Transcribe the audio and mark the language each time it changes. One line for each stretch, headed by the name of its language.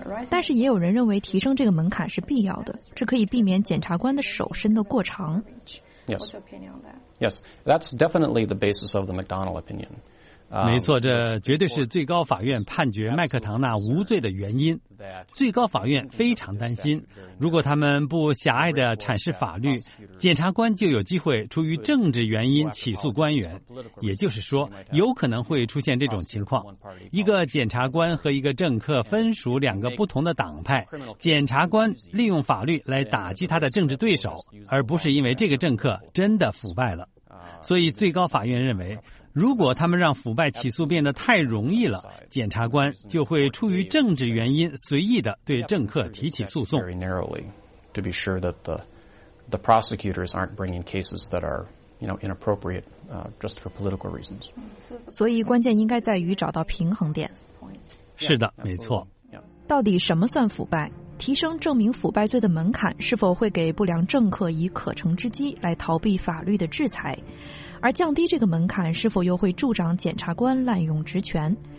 Chinese: 但是也有人认为提升这个门槛是必要的，这可以避免检察官的手伸得过长。
English: Yes, that's definitely the basis of the McDonnell opinion.
Chinese: 没错，这绝对是最高法院判决麦克唐纳无罪的原因。最高法院非常担心，如果他们不狭隘地阐释法律，检察官就有机会出于政治原因起诉官员。也就是说，有可能会出现这种情况：一个检察官和一个政客分属两个不同的党派，检察官利用法律来打击他的政治对手，而不是因为这个政客真的腐败了。所以最高法院认为，如果他们让腐败起诉变得太容易了，检察官就会出于政治原因随意地对政客提起诉讼。
English: To be sure that the prosecutors aren't bringing cases that are, you know, inappropriate, just for political reasons.
Chinese: 所以关键应该在于找到平衡点。是的，没错。到底什么算腐败？提升证明腐败罪的门槛，是否会给不良政客以可乘之机来逃避法律的制裁？而降低这个门槛，是否又会助长检察官滥用职权？